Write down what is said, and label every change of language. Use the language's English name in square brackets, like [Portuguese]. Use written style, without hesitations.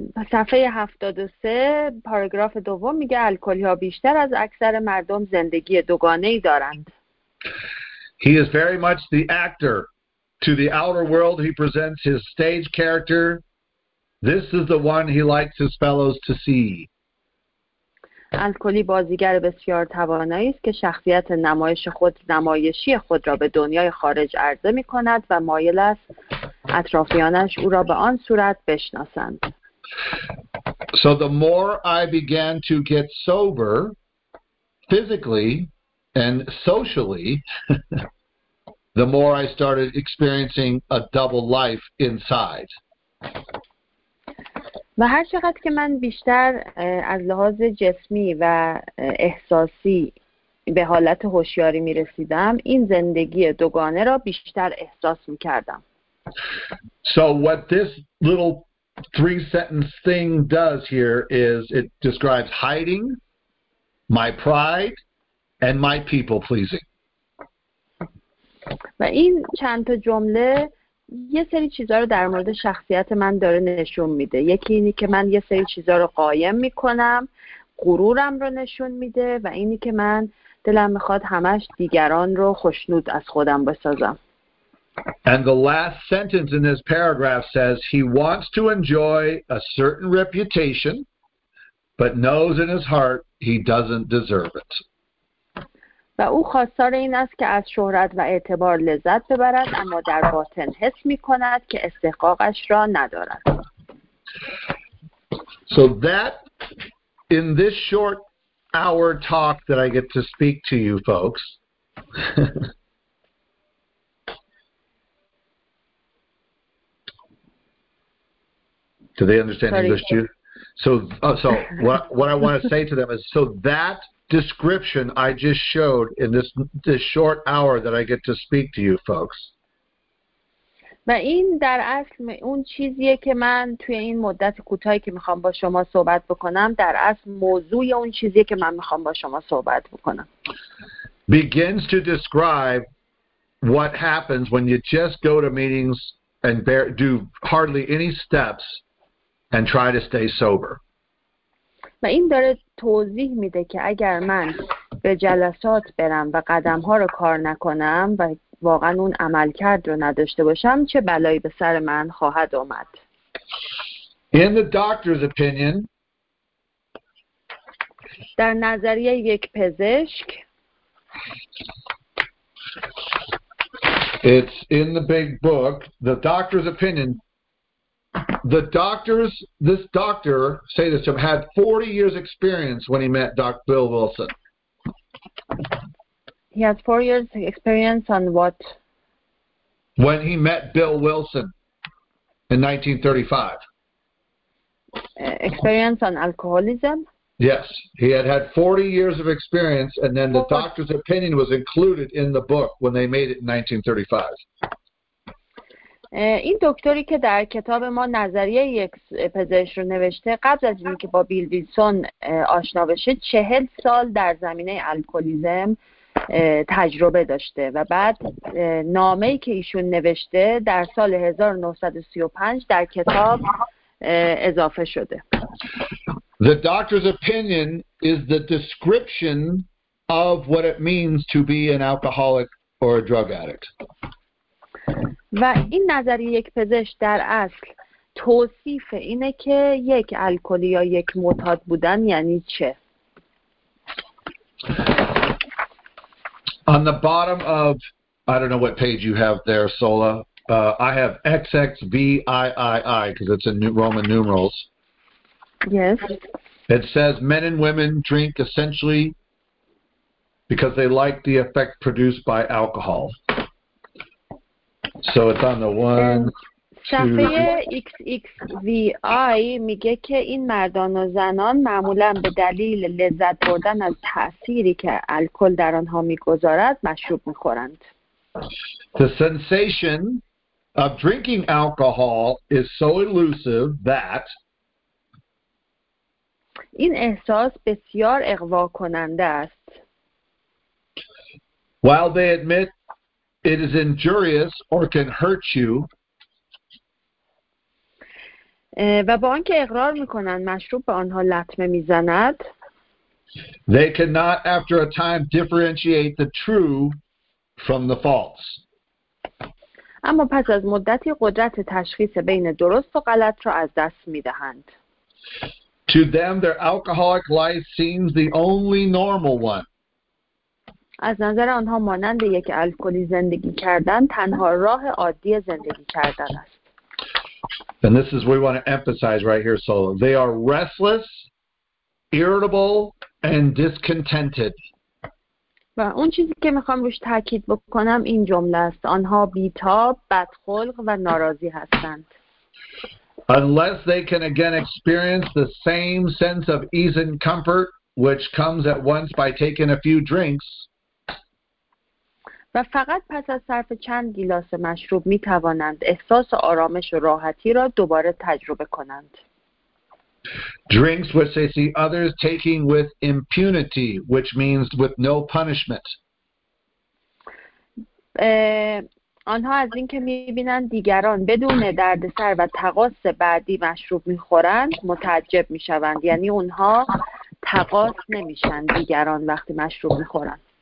[Persian] صفحه 73 پاراگراف دوم میگه الکلی‌ها بیشتر از اکثر مردم زندگی دوگانه‌ای دارند. [English] He is very much the actor. To the outer world he presents his stage character. This is the one he likes his fellows to see. [Persian] الکلی بازیگر بسیار توانایی است که شخصیت نمایشی خود را به دنیای خارج عرضه می‌کند و مایل است اطرافیانش او را به آن صورت بشناسند. [English] So the more I began to get sober physically, And socially, the more I started experiencing a double life inside. [Persian] و هر چقدر که من بیشتر از لحاظ جسمی و احساسی به حالت هوشیاری می رسیدم، این زندگی دوگانه را بیشتر احساس می کردم. [English] So what this little three sentence thing does here is it describes hiding, my pride, and my people pleasing. [Persian] و این چند تا جمله یه سری چیزها رو در مورد شخصیت من داره نشون میده. یکی اینی که من یه سری چیزها رو قایم میکنم، غرورم رو نشون میده و اینی که من دلم میخواد همش دیگران رو خوشنود از خودم بسازم. [English] And the last sentence in this paragraph says he wants to enjoy a certain reputation but knows in his heart he doesn't deserve it. [Persian] و او خواستار این است که از شهرت و اعتبار لذت ببرد اما در باطن حس می کند که استحقاقش را ندارد. [English] So that in this short hour talk that I get to speak to you folks do they understand English too? So what I want to say to them is so that description I just showed in this short hour that I get to speak to you folks. [Persian] و این در اصل اون چیزیه که من توی این مدت کوتاهی که میخوام با شما صحبت بکنم، در اصل موضوع اون چیزیه که من میخوام با شما صحبت بکنم. [English] Begins to describe what happens when you just go to meetings and do hardly any steps and try to stay sober. [Persian] و این داره توضیح میده که اگر من به جلسات برم و قدمها رو کار نکنم و واقعا اون عمل کرد رو نداشته باشم، چه بلایی به سر من خواهد آمد. [English] In the doctor's opinion, [Persian] در نظریه یک پزشک، [English] it's in the big book, the doctor's opinion. The doctors, this doctor, say this to him, had 40 years experience when he met Dr. Bill Wilson. He had 4 years experience on what? When he met Bill Wilson in 1935. Experience on alcoholism? Yes, he had 40 years of experience, and then the doctor's opinion was included in the book when they made it in 1935. [Persian] این دکتری که در کتاب ما نظریه یک پزشک رو نوشته، قبل از اینکه با بیل ویلسون آشنا بشه 40 سال در زمینه الکلیزم تجربه داشته و بعد نامه‌ای که ایشون نوشته در سال 1935 در کتاب اضافه شده. [English] The doctor's opinion is the description of what it means to be an alcoholic or a drug addict. [Persian] و این نظریه یک پزشک در اصل توصیف اینه که یک الکلی یا یک معتاد بودن یعنی چه. [English] On the bottom of, I don't know what page you have there, Sola. I have XXVIII because it's in Roman numerals. Yes. It says men and women drink essentially because they like the effect produced by alcohol. So it's on the one, [Persian] صفحه XXVI میگه که این مردان و زنان معمولاً به دلیل لذت بردن از تأثیری که الکل در آنها میگذارد مشروب میخورند. [English] The sensation of drinking alcohol is so elusive that [Persian] این احساس بسیار اغوا کننده است. [English] While they admit it is injurious or can hurt you. [Persian] و با آنکه اقرار میکنند مشروب به آنها لطمه میزند. [English] They cannot, after a time, differentiate the true from the false. [Persian] اما پس از مدتی قدرت تشخیص بین درست و غلط را از دست میدهند. [English] To them, their alcoholic life seems the only normal one. [Persian] از نظر آنها مانند یک الکلی زندگی کردن تنها راه عادی زندگی کردن است. [English] And this is what we want to emphasize right here, Solo. They are restless, irritable, and discontented. [Persian] و اون چیزی که میخوام روش تاکید بکنم این جمله است: آنها بیتاب، بدخلق و ناراضی هستند. [English] Unless they can again experience the same sense of ease and comfort which comes at once by taking a few drinks. [Persian] و فقط پس از صرف چند گیلاس مشروب می توانند احساس آرامش و راحتی را دوباره تجربه کنند. [English] Drinks which they see others taking with impunity, which means with no punishment. [Persian] آنها از اینکه می‌بینند دیگران بدون دردسر و تقاص بعدی مشروب می‌خورند متعجب می‌شوند، یعنی اونها تقاص نمی‌شن دیگران وقتی مشروب می‌خورند.